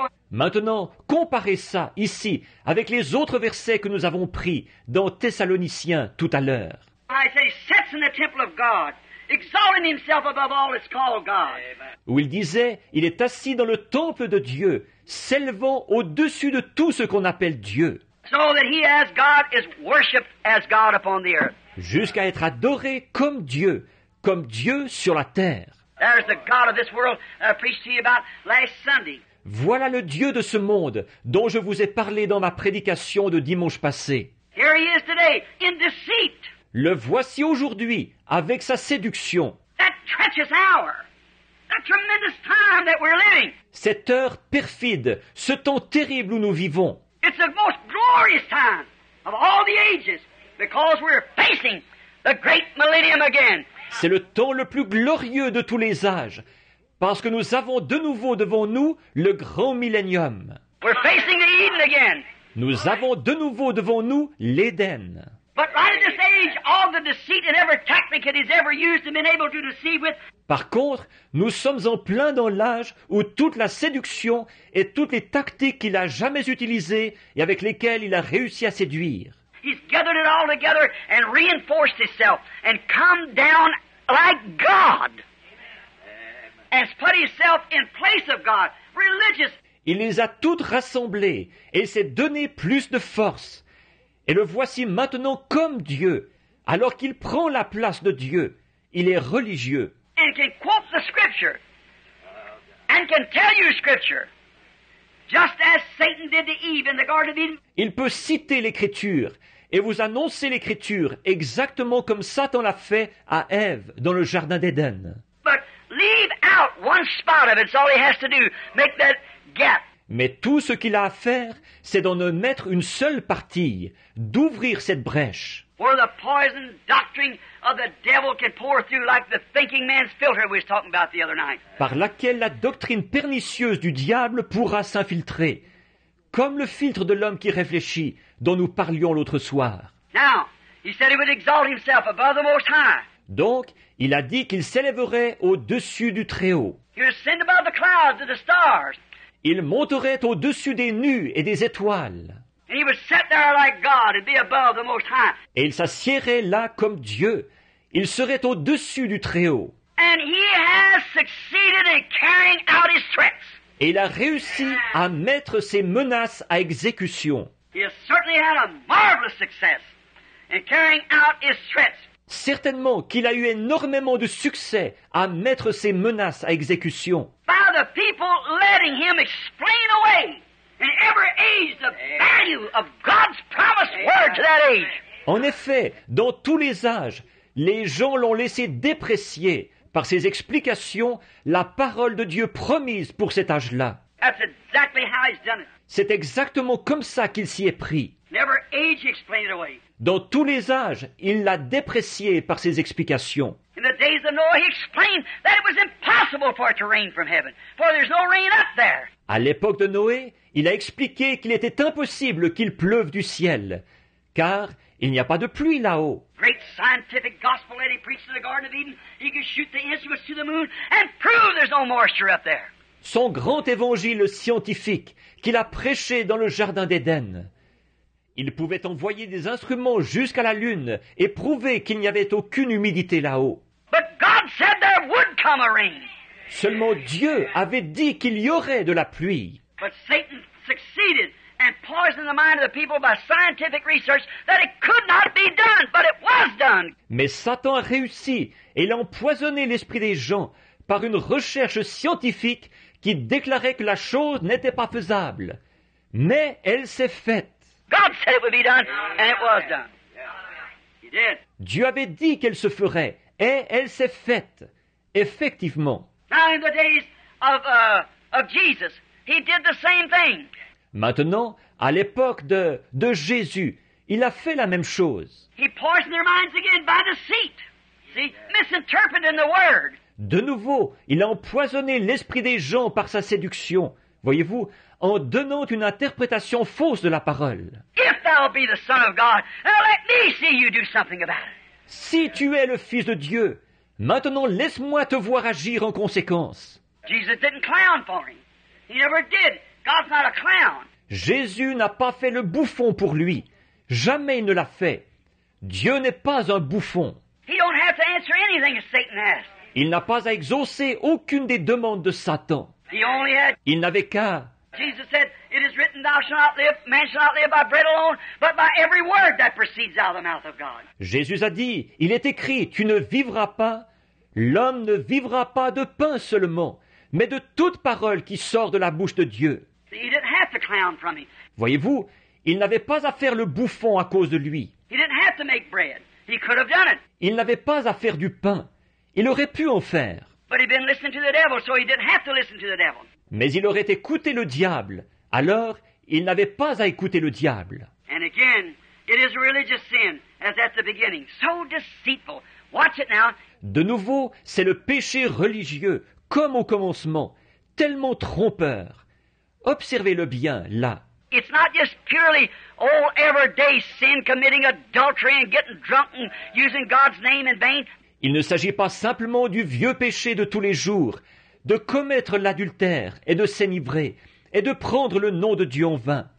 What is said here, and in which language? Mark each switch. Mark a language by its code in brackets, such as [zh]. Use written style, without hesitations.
[fr] Maintenant, comparez ça ici avec les autres versets que nous avons pris dans Thessaloniciens tout à l'heure. [en] I say, sets in the temple of God. Exalting himself above all is called God. [fr] Où il disait, il est assis dans le temple de Dieu, s'élevant au-dessus de tout ce qu'on appelle Dieu. [en] So that he as God is worshipped as God upon the earth. [fr] Jusqu'à être adoré comme Dieu sur la terre. [en] There's the God of this world I preached to you about last Sunday. [fr] Voilà le Dieu de ce monde dont je vous ai parlé dans ma prédication de dimanche passé. [en] Here he is today in deceit. [fr] le voici aujourd'hui avec sa séduction. [en] That treacherous hour, that tremendous time that we're living. [fr] Cette heure perfide, ce temps terrible où nous vivons. [en] It's the most glorious time of all the ages because we're facing the great millennium again. [fr] C'est le temps le plus glorieux de tous les âges parce que nous avons de nouveau devant nous le grand millénium. [en] We're facing Eden again. [fr] Nous avons de nouveau devant nous l'Éden. [en] But right in this age, all the deceit and every tactic it has ever used and been able to deceive with. [fr] Par contre, nous sommes en plein dans l'âge où toute la séduction et toutes les tactiques qu'il a jamais utilisées et avec lesquelles il a réussi à séduire. [en] He's gathered it all together and reinforced himself and come down like God. Amen. And put himself in place of God. Religious. [fr] Il les a toutes rassemblées et s'est donné plus de force. Et le voici maintenant comme Dieu, alors qu'il prend la place de Dieu. Il est religieux. [en] And can quote the scripture. And can tell you scripture. Just as Satan did to Eve in the Garden of Eden. [fr] Il peut citer l'écriture et vous annoncer l'écriture exactement comme Satan l'a fait à Ève dans le jardin d'Éden. [en] But leave out one spot of it. It's all he has to do. Make that gap. [fr] Mais tout ce qu'il a à faire, c'est d'en mettre une seule partie, d'ouvrir cette brèche. [en] Where the poison doctrine of the devil can pour through like the thinking man's filter we were talking about the other night. [fr] Par laquelle la doctrine pernicieuse du diable pourra s'infiltrer, comme le filtre de l'homme qui réfléchit dont nous parlions l'autre soir. [en] Now, he said he would exalt himself above the Most High. [fr] Donc, il a dit qu'il s'élèverait au-dessus du Très-Haut. [en] He would ascend above the clouds and the stars. [fr] Il monterait au-dessus des nues et des étoiles. [en] And he would sit there like God and be above the Most High. [fr] Et il s'assiérait là comme Dieu. Il serait au-dessus du Très-Haut. [en] And he has succeeded in carrying out his threats. [fr] Et il a réussi à mettre ses menaces à exécution. [en] He has certainly had a marvelous success in carrying out his threats. [fr] Certainement qu'il a eu énormément de succès à mettre ses menaces à exécution. [en] By the people letting him explain away in every age the value of God's promised word to that age. [fr] En effet, dans tous les âges, les gens l'ont laissé déprécier par ses explications la parole de Dieu promise pour cet âge-là. [en] That's exactly how he's done it. [fr] C'est exactement comme ça qu'il s'y est pris. [en] Never age explained it away. [fr] Dans tous les âges, il l'a déprécié par ses explications. [en] In the days of Noah, he explained that it was impossible for it to rain from heaven, for there's no rain up there. [fr] À l'époque de Noé, il a expliqué qu'il était impossible qu'il pleuve du ciel, car il n'y a pas de pluie là-haut. [en] Great scientific gospel that he preached in the Garden of Eden, he could shoot the instruments to the moon and prove there's no moisture up there. [fr] Son grand évangile scientifique qu'il a prêché dans le jardin d'Éden. Il pouvait envoyer des instruments jusqu'à la lune et prouver qu'il n'y avait aucune humidité là-haut. [en] But God said there would come a rain. [fr] Seulement Dieu avait dit qu'il y aurait de la pluie. [en] But Satan succeeded and poisoned the mind of the people by scientific research that it could not be done, but it was done. [fr] Mais Satan a réussi et il a empoisonné l'esprit des gens par une recherche scientifique qui déclarait que la chose n'était pas faisable. Mais elle s'est faite. [en] God said it would be done, and it was done. He did. [fr] Dieu avait dit qu'elle se ferait, et elle s'est faite. Effectivement. [en] Now in the days of Jesus, he did the same thing. [fr] Maintenant, à l'époque de Jésus, il a fait la même chose. [en] He poisoned their minds again by deceit. See, misinterpreting the word. [fr] De nouveau, il a empoisonné l'esprit des gens par sa séduction, voyez-vous, en donnant une interprétation fausse de la parole. [en] If thou be the Son of God, let me see you do something about it. [fr] Si tu es le Fils de Dieu, maintenant laisse-moi te voir agir en conséquence. [en] Jesus didn't clown for him. He never did. God's not a clown. [fr] Jésus n'a pas fait le bouffon pour lui. Jamais il ne l'a fait. Dieu n'est pas un bouffon. [en] He don't have to answer anything Satan asks. [fr] Il n'a pas à exaucer aucune des demandes de Satan. Il n'avait qu'à. [en] Jesus said, it is written, thou shalt not live, man shall not live by bread alone, but by every word that proceeds out of the mouth of God. [fr] Jésus a dit, il est écrit, tu ne vivras pas, l'homme ne vivra pas de pain seulement, mais de toute parole qui sort de la bouche de Dieu. [en] He didn't have to clown from him. [fr] Voyez-vous, il n'avait pas à faire le bouffon à cause de lui. [en] He didn't have to make bread. He could have done it. [fr] Il n'avait pas à faire du pain. Il aurait pu en faire. [en] But he'd been listening to the devil, so he didn't have to listen to the devil. [fr] Mais il aurait écouté le diable. Alors, il n'avait pas à écouter le diable. [en] And again, it is a religious sin, as at the beginning. So deceitful. Watch it now. [fr] De nouveau, c'est le péché religieux, comme au commencement, tellement trompeur. Observez-le bien, là. [en] It's not just purely old everyday sin, committing adultery and getting drunk and using God's name in vain. [fr] Il ne s'agit pas simplement du vieux péché de tous les jours, de commettre l'adultère et de s'enivrer, et de prendre le nom de Dieu en vain.